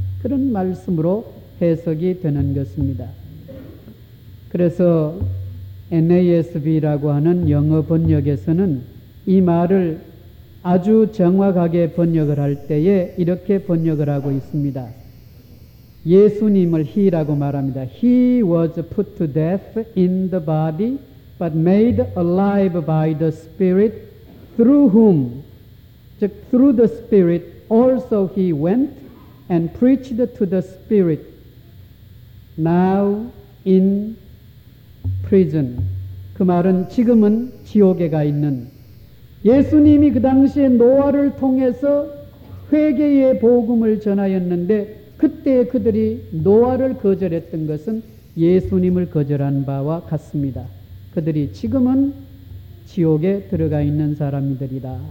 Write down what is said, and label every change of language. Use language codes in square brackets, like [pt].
[ko] 그런 말씀으로 해석이 되는 것입니다. 그래서 NASB라고 하는 영어 번역에서는 이 말을 아주 정확하게 번역을 할 때에 이렇게 번역을 하고 있습니다. 예수님을 he라고 말합니다. [en] He was put to death in the body but made alive by the Spirit through whom, 즉 through the Spirit also he went and preached to the Spirit now in prison. [ko] 그 말은 지금은 지옥에 가 있는 예수님이 그 당시에 노아를 통해서 회개의 복음을 전하였는데 그때 그들이 노아를 거절했던 것은 예수님을 거절한 바와 같습니다. 그들이 지금은 지옥에 들어가 있는 사람들이다.